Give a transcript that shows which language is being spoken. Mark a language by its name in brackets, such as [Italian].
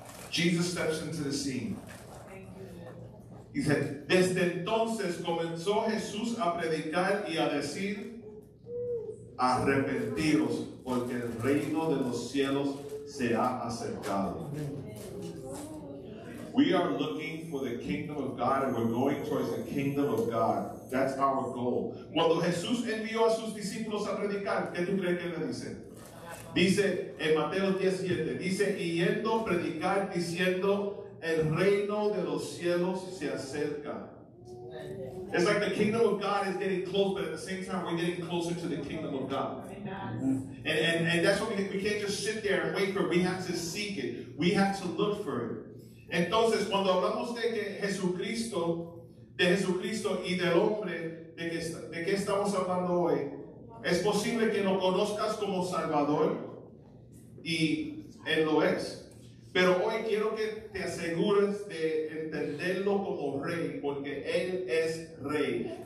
[English] Jesus steps into the scene. [Spanish] Dice, desde entonces comenzó Jesús a predicar y a decir, arrepentíos, porque el reino de los cielos se ha acercado. [English] We are looking for the kingdom of God, and we're going towards the kingdom of God. That's our goal. [Spanish] Cuando Jesús envió a sus discípulos a predicar, ¿qué tú crees que le dice? Dice en Mateo 10:7, dice, y yendo a predicar diciendo, el reino de los cielos se acerca. [English] It's like the kingdom of God is getting close, but at the same time, we're getting closer to the kingdom of God. And that's what we can't just sit there and wait for it. We have to seek it. We have to look for it. [Spanish] Entonces, cuando hablamos de Jesucristo y del hombre, de qué estamos hablando hoy, es posible que lo conozcas como Salvador, y Él lo es. Pero hoy quiero que te asegures de entenderlo como rey, porque Él es rey.